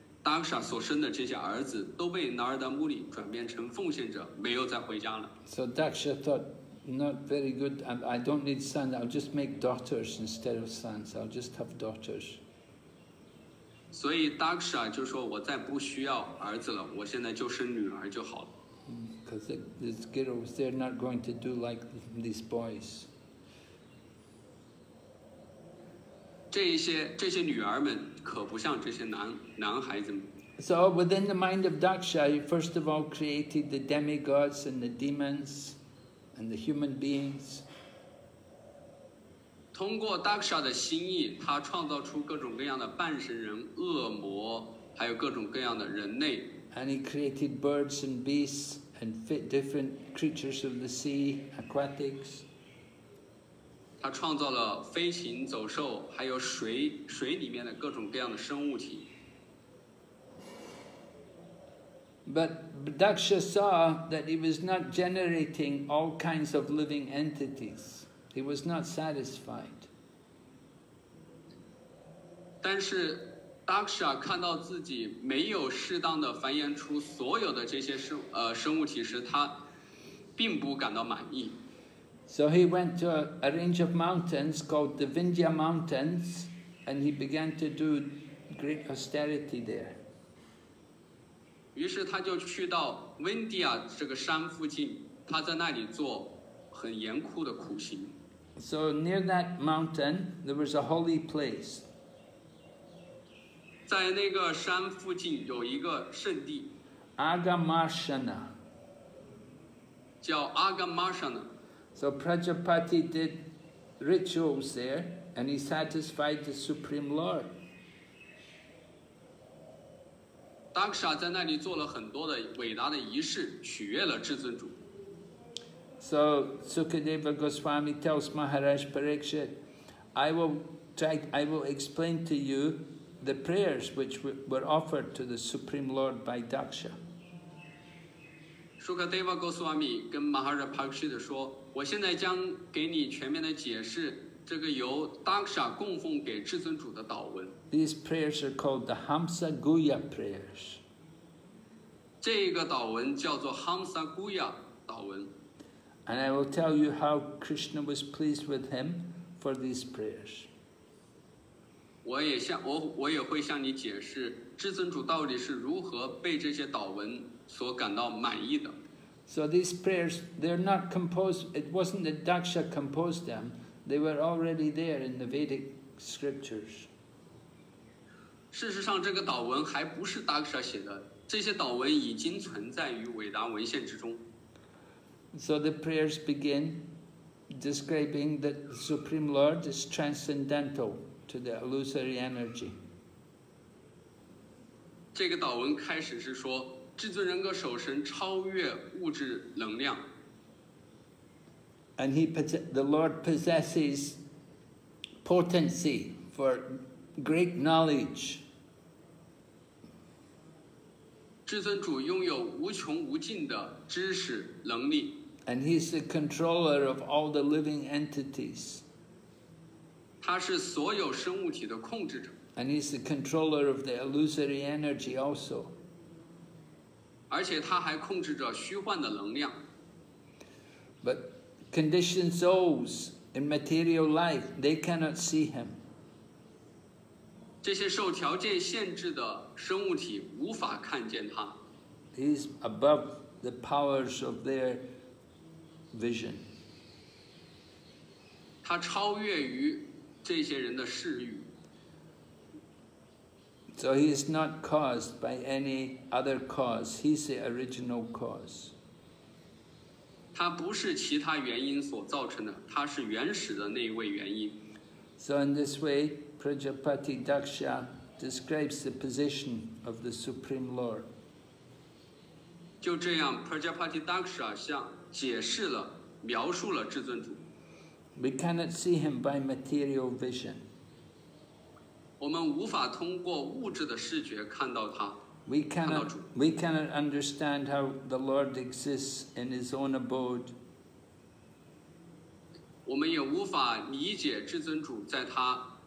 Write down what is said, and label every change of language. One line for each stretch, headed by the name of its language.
English: So Daksha thought, not very good, I don't need sons, I'll just make daughters instead of sons, I'll just have daughters.
Chinese: 所以Daksha就说我再不需要儿子了，我现在就生女儿就好了。
English: because the girls, they're not going to do like these boys.
Chinese: 这些女儿们可不像这些男孩子们。
English: So within the mind of Daksha, he first of all created the demigods and the demons and the human beings.
Chinese: 通过 Daksha 的心意，他创造出各种各样的半神人、恶魔，还有各种各样的人类。
English: And he created birds and beasts and fit different creatures of the sea, aquatics.
Chinese: 他创造了飞禽走兽，还有水里面的各种各样的生物体。
English: But Daksha saw that he was not generating all kinds of living entities. He was not satisfied.
Chinese: 但是 Daksha 看到自己没有适当的繁衍出所有的这些生物体时，他并不感到满意。
English: So he went to a range of mountains called the Vindhya Mountains, and he began to do great austerity there.
Chinese: 于是他就去到温迪亚这个山附近，他在那里做很严酷的苦行。
English: So near that mountain, there was a holy place.
Chinese: 在那个山附近有一个圣地，Agamarsana，叫 Agamarsana。
English: So Prajapati did rituals there, and he satisfied the Supreme Lord.
Chinese: Daksha 在那里做了很多的伟大的仪式，取悦了至尊主。
English: So Sukadeva Goswami tells Maharaj Parikshit, I will explain to you the prayers which were offered to the Supreme Lord by Daksha.
Chinese: Sukadeva Goswami 跟 Maharaj Parikshit 说，我现在将给你全面的解释这个由 Daksha 供奉给至尊主的祷文。
English: These prayers are called the Hamsa Guya prayers.
Chinese: 这个祷文叫做 Hamsa Guya 祷文。
English: And I will tell you how Krishna was pleased with him for these prayers.
Chinese: 我也会向你解释至尊主到底是如何被这些祷文所感到满意的。
English: So these prayers, they're not composed, it wasn't that Daksha composed them, they were already there in the Vedic scriptures.
Chinese: 事实上，这个祷文还不是 Daksha 写的，这些祷文已经存在于伟大文献之中。
English: So the prayers begin describing that the Supreme Lord is transcendental to the illusory energy.
Chinese: 这个祷文开始是说，至尊人格守神超越物质能量。
English: And the Lord possesses potency for great knowledge.
Chinese: 至尊主拥有无穷无尽的知识能力。
English: And he is the controller of all the living entities.
Chinese: 他是所有生物体的控制者。
English: And he is the controller of the illusory energy also.
Chinese: 而且他还控制着虚幻的能量。
English: But conditioned souls in material life, they cannot see him.
Chinese: 这些受条件限制的生物体无法看见他。
English: He is above the powers of their vision.
Chinese: 他超越于这些人的视域。
English: So he is not caused by any other cause. He is the original cause.
Chinese: 他不是其他原因所造成的，他是原始的那一位原因。
English: So in this way,Prajapati Daksha describes the position of the Supreme Lord.
Chinese: 就这样 ，Prajapati Daksha 向解释了、描述了至尊主。
English: We cannot see him by material vision.
Chinese: 我们无法通过物质的视觉看到他。
English: We cannot understand how the Lord exists in his own abode.
Chinese: 我们也无法理解至尊主在他。